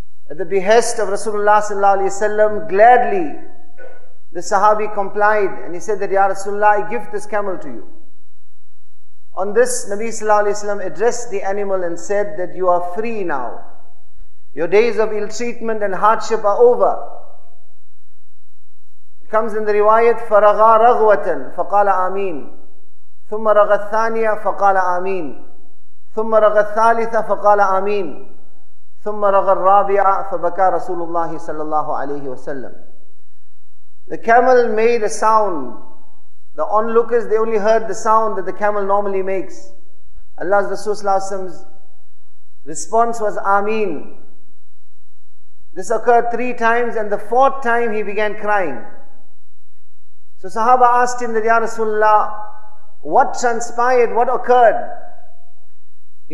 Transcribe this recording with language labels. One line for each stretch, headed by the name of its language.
English: At the behest of Rasulullah sallallahu alayhi wa sallam, gladly, the sahabi complied. And he said that, Ya Rasulullah, I give this camel to you. On this, Nabi sallallahu alayhi wa sallam addressed the animal and said that you are free now. Your days of ill-treatment and hardship are over.
Arabic: It comes in the riwayat, فَرَغَى رَغْوَةً فَقَالَ آمِينَ ثُمَّ رَغَى الثَّانِيَ فَقَالَ آمِينَ ثُمَّ رَغَى الثَّالِثَ فَقَالَ آمِينَ ثُمَّ رَغَى الرَّابِعَ فَبَكَى رَسُولُ اللَّهِ صَلَى اللَّهُ عَلَيْهِ وَسَلَّمْ
English: The camel made a sound. The onlookers, they only heard the sound that the camel normally makes. Allah's Rasul sallallahu alayhi wa sallam's response was, Ameen. This occurred three times and the fourth time he began crying. So Sahaba asked him that, Ya Rasulullah, what transpired, what occurred? He